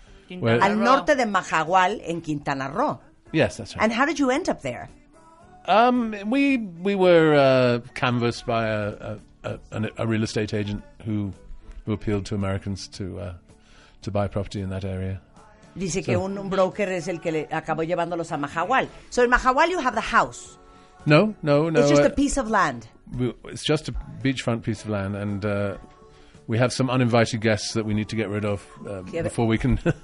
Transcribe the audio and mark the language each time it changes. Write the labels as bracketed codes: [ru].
[es] Al norte de Mahahual, en Quintana Roo. [en] Yes, that's right. And how did you end up there? We were canvassed by a real estate agent who appealed to Americans to buy property in that area. [es] Dice que un broker es el que le acabó llevándolos a Mahahual. [en] So in Mahahual you have the house. No. It's just a piece of land. It's just a beachfront piece of land, and we have some uninvited guests that we need to get rid of before we can.